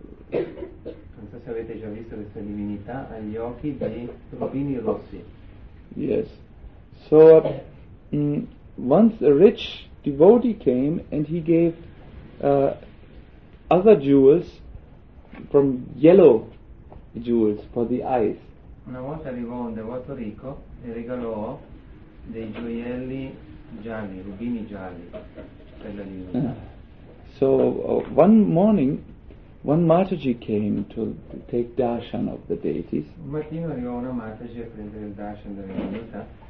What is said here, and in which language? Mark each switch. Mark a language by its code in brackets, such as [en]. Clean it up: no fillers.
[it] Non so se avete già visto questa divinità, ha gli occhi dei rubini rossi. [en] Yes. So once a rich devotee came and he gave other jewels from yellow jewels for the eyes. [it] Una volta arrivò un devoto ricco e regalò dei gioielli gialli, rubini gialli per la divinità. [en] So one morning one Mataji came to take darshan of the deities. [it] Un mattino arrivò una Mataji a prendere il darshan della divinità.